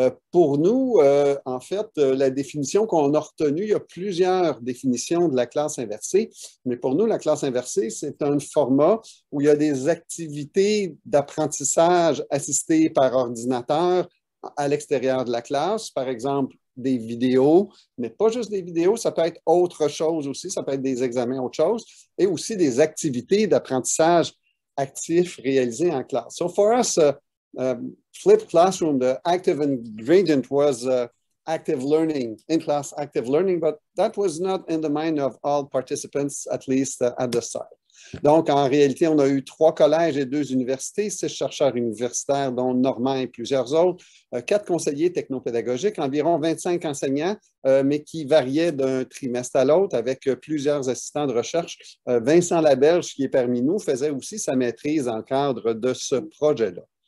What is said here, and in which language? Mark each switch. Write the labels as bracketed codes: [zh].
[fr] Pour nous, en fait, la définition qu'on a retenue, il y a plusieurs définitions de la classe inversée, mais pour nous, la classe inversée, c'est un format où il y a des activités d'apprentissage assistées par ordinateur à l'extérieur de la classe, par exemple des vidéos, mais pas juste des vidéos, ça peut être autre chose aussi, ça peut être des examens, autre chose, et aussi des activités d'apprentissage actif réalisées en classe. [en] So for us, flipped classroom, the active ingredient was active learning, in-class active learning, but that was not in the mind of all participants, at least at the start. [fr] Donc, en réalité, on a eu 3 collèges et 2 universités, 6 chercheurs universitaires, dont Normand et plusieurs autres, 4 conseillers technopédagogiques, environ 25 enseignants, mais qui variaient d'un trimestre à l'autre avec plusieurs assistants de recherche. Vincent Labèche, qui est parmi nous, faisait aussi sa maîtrise dans le cadre de ce projet-là.